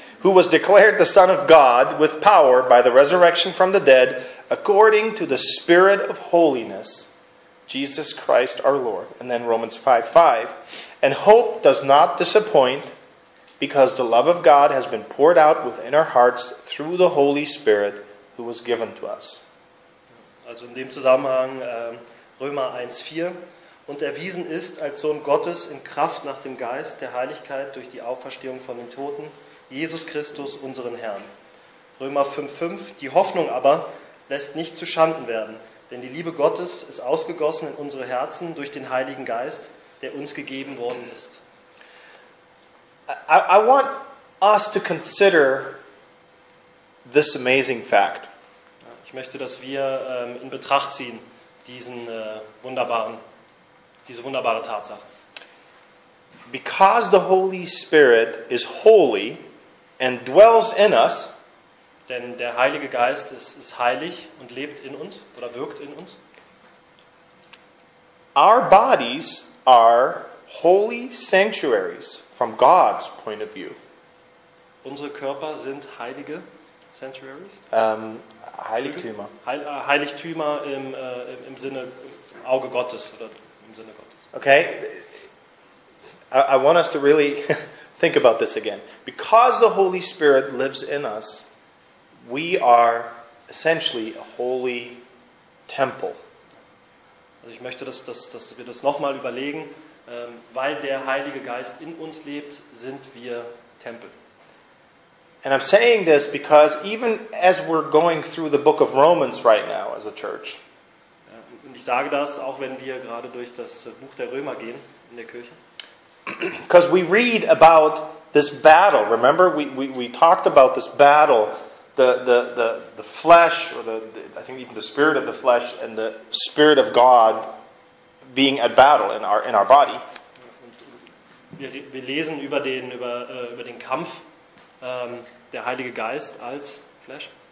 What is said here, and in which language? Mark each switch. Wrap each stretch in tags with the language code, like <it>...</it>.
<en>Who was declared the Son of God with power by the resurrection from the dead, according to the Spirit of holiness, Jesus Christ our Lord. And then Romans 5:5. And hope does not disappoint, because the love of God has been poured out within our hearts through the Holy Spirit who was given to us.</en> <de>Also in dem Zusammenhang, Römer 1:4. Und erwiesen ist als Sohn Gottes in Kraft nach dem Geist der Heiligkeit durch die Auferstehung von den Toten, Jesus Christus, unseren Herrn. Römer 5:5, die Hoffnung aber lässt nicht zu Schanden werden, denn die Liebe Gottes ist ausgegossen in unsere Herzen durch den Heiligen Geist, der uns gegeben worden ist.</de> <en>I want us to consider this amazing fact.</en> <de>Ich möchte, dass wir in Betracht ziehen diese wunderbare Tatsache.</de> <en>Because the Holy Spirit is holy and dwells in us,</en> <de>denn der Heilige Geist ist heilig und lebt in uns oder wirkt in uns.</de> <en>Our bodies are holy sanctuaries from God's point of view.</en> <de>Unsere Körper sind heilige sanctuaries. Heiligtümer. Heiligtümer im Sinne im Auge Gottes oder im Sinne Gottes.</de> <en>Okay. I want us to really think about this again. Because the Holy Spirit lives in us, we are essentially a holy temple.</en> <de>Also ich möchte, dass wir das nochmal überlegen. Weil der Heilige Geist in uns lebt, sind wir Tempel.</de> <en>And I'm saying this because even as we're going through the book of Romans right now as a church.</en> <de>Und ich sage das, auch wenn wir gerade durch das Buch der Römer gehen in der Kirche.</de> <en>Because we read about this battle. Remember, we talked about this battle, the flesh, or the I think even the spirit of the flesh and the spirit of God being at battle in our body.</en> <de>Wir lesen über den Kampf der Heilige Geist als Flesh.</de>